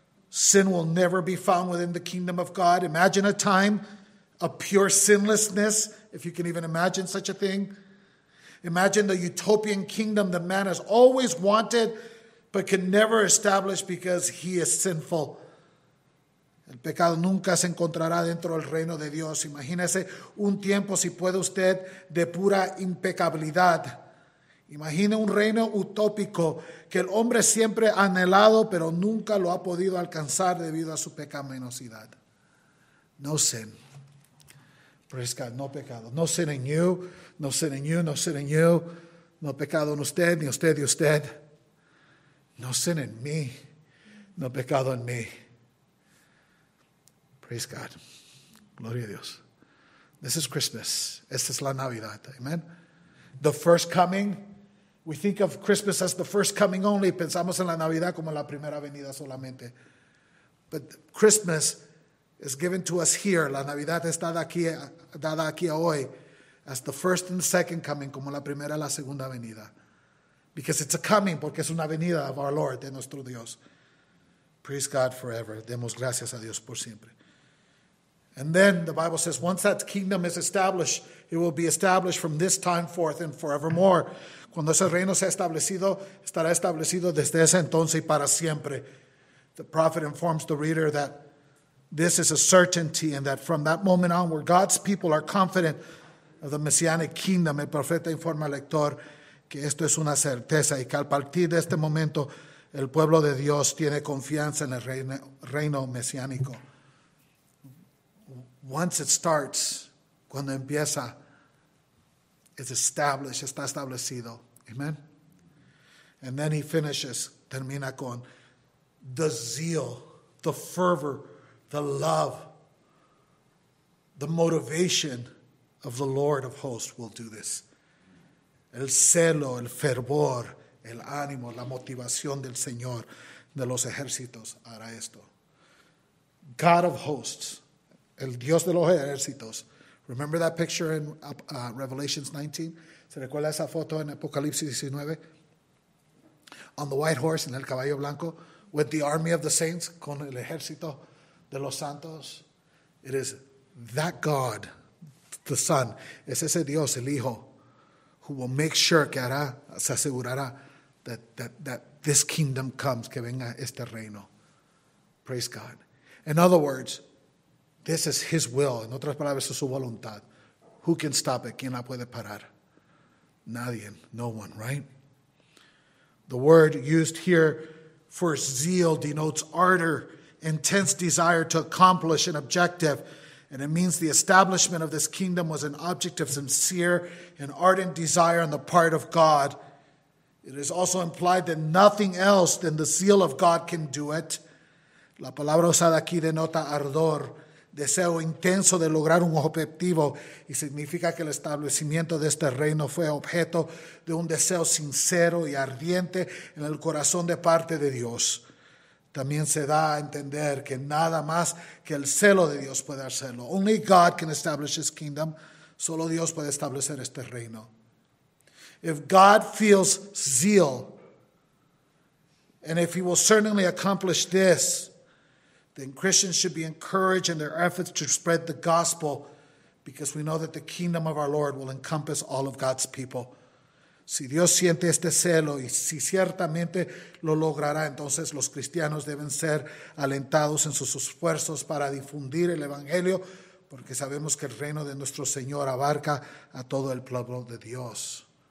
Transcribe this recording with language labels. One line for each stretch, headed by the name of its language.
English: Sin will never be found within the kingdom of God. Imagine a time of pure sinlessness, if you can even imagine such a thing. Imagine the utopian kingdom that man has always wanted but can never establish because he is sinful.
Spanish: El pecado nunca se encontrará dentro del reino de Dios. Imagínese un tiempo, si puede usted, de pura impecabilidad. Imagine un reino utópico que el hombre siempre ha anhelado, pero nunca lo ha podido alcanzar debido a su pecaminosidad.
English: No sin. Praise God,
Spanish: no pecado.
English: No sin en you, no sin en you, no sin en you.
Spanish: No pecado en usted, ni usted, ni usted. No sin en mí, no pecado en mí.
English: Praise God.
Spanish: Gloria a Dios.
English: This is Christmas.
Spanish: Esta es la Navidad.
English: Amen. The first coming. We think of Christmas as the first coming only.
Spanish: Pensamos en la Navidad como la primera venida solamente.
English: But Christmas is given to us here.
Spanish: La Navidad está dada aquí hoy.
English: As the first and second coming,
Spanish: como la primera y la segunda venida.
English: Because it's a coming,
Spanish: porque es una venida
English: of our Lord,
Spanish: de nuestro Dios.
English: Praise God forever.
Spanish: Demos gracias a Dios por siempre.
English: And then the Bible says, once that kingdom is established, it will be established from this time forth and forevermore.
Spanish: Cuando ese reino sea establecido, estará establecido desde ese entonces y para siempre.
English: The prophet informs the reader that this is a certainty and that from that moment onward, God's people are confident of the messianic kingdom.
Spanish: El profeta informa al lector que esto es una certeza y que al partir de este momento, el pueblo de Dios tiene confianza en el reino mesiánico.
English: Once it starts,
Spanish: cuando empieza,
English: it's established,
Spanish: está establecido.
English: Amen. And then he finishes,
Spanish: termina con
English: the zeal, the fervor, the love, the motivation of the Lord of hosts will do this.
Spanish: El celo, el fervor, el ánimo, la motivación del Señor de los ejércitos hará esto.
English: God of hosts, el Dios de los ejércitos. Remember that picture in Revelations 19?
Spanish: ¿Se recuerda esa foto en Apocalipsis 19?
English: On the white horse,
Spanish: en el caballo blanco,
English: with the army of the saints,
Spanish: con el ejército de los santos.
English: It is that God, the Son,
Spanish: es ese Dios, el Hijo,
English: who will make sure,
Spanish: que hará, se asegurará,
English: that this kingdom comes,
Spanish: que venga este reino.
English: Praise God. In other words, this is his will.
Spanish: En otras palabras, es su voluntad.
English: Who can stop it?
Spanish: ¿Quién la puede parar? Nadie.
English: No one, right? The word used here for zeal denotes ardor, intense desire to accomplish an objective. And it means the establishment of this kingdom was an object of sincere and ardent desire on the part of God. It is also implied that nothing else than the zeal of God can do it.
Spanish: La palabra usada aquí denota ardor, deseo intenso de lograr un objetivo, y significa que el establecimiento de este reino fue objeto de un deseo sincero y ardiente en el corazón de parte de Dios. También se da a entender que nada más que el celo de Dios puede hacerlo.
English: Only God can establish his kingdom.
Spanish: Solo Dios puede establecer este reino.
English: If God feels zeal, and if he will certainly accomplish this, then Christians should be encouraged in their efforts to spread the gospel, because we know that the kingdom of our Lord will encompass all of God's people.
Spanish: Si Dios siente este celo y si ciertamente lo logrará, entonces los cristianos deben ser alentados en sus esfuerzos para difundir el evangelio, porque sabemos que el reino de nuestro Señor abarca a todo el pueblo de Dios.